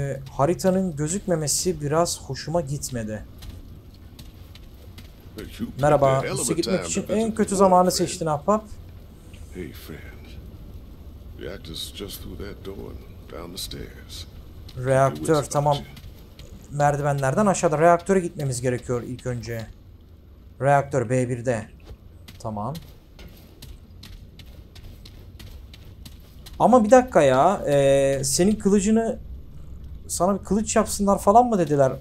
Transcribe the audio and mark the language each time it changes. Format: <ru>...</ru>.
<tr>Haritanın gözükmemesi biraz hoşuma gitmedi. Merhaba. Size gitmek için en kötü zamanı seçtin ahbap.</tr> <en>Hey friend. Reactor's just through that door and down the stairs.</en> <tr>Reaktör tamam. Merdivenlerden aşağıda reaktöre gitmemiz gerekiyor ilk önce. Reaktör B1'de. Tamam. Ama bir dakika ya. Senin kılıcını, sana bir kılıç yapsınlar falan mı dediler?</tr>